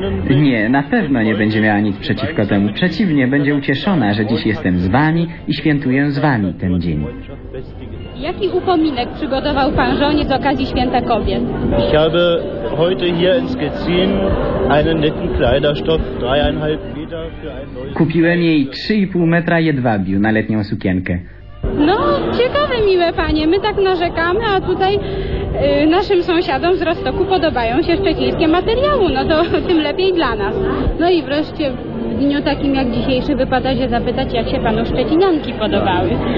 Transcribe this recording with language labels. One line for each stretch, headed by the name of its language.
Polish: Nie, na pewno nie będzie miała nic przeciwko temu. Przeciwnie, będzie ucieszona, że dziś jestem z wami i świętuję z wami ten dzień. Jaki upominek przygotował pan żonie z okazji Święta Kobiet?
German: Ich habe heute hier in Szczecin einen netten Kleiderstoff, 3,5 Meter für ein neues...
Polish: Kupiłem jej 3,5 metra jedwabiu na letnią sukienkę. No, ciekawe, miłe panie, my tak narzekamy, a tutaj naszym sąsiadom z Rostocku podobają się szczecińskie materiały, no to tym lepiej dla nas. No i wreszcie w dniu takim jak dzisiejszy wypada się zapytać, jak się panu szczecinianki podobały.